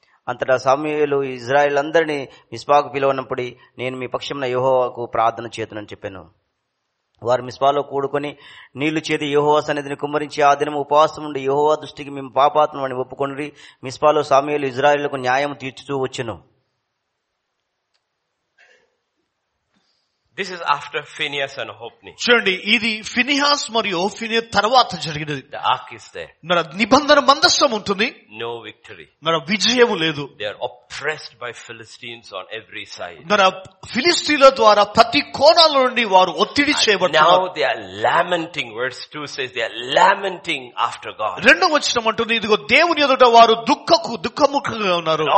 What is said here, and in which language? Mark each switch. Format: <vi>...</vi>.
<te>అంతటా సామూయేలు ఇజ్రాయేల్ అందరినీ మిస్పాకు పిలువనప్పుడు నేను మీ పక్షమున యెహోవాకు ప్రార్థన చేతునని చెప్పాను వారు మిస్పాలో కూడుకొని నీళ్లు చేతి యెహోవా సన్నిధిని కుమ్మరించి ఆ దినం ఉపవాసం ఉండి యెహోవా దృష్టికి మేము పాపాత్మ అని ఒప్పుకొని మిస్పాలో సామూయేలు ఇజ్రాయేలుకు న్యాయం తీర్చుతూ వచ్చెను</te> <en>This is after Phineas and Hophni.</en> <te>చూడండి ఇది ఫినియాస్ మరియు హోఫ్ని తర్వాత జరిగినది.</te> <en>The ark is there.</en> <te>మరి నిబంధన మందస్థం ఉంటుంది.</te> <en>No victory.</en> <te>మరి విజయం లేదు.</te> <en>They are oppressed by Philistines on every side.</en> <te>మరి ఫిలిస్తీన్ల ద్వారా ప్రతి కోణాల నుండి వారు ఒత్తిడి చేయబడుతున్నారు.</te> <en>Now they are lamenting. Verse 2 says they are lamenting after God.</en> <te>రెండో వచనం అంటుంది ఇదిగో దేవుని ఎదుట వారు దుఃఖకు దుఃఖముఖంగా ఉన్నారు.</te>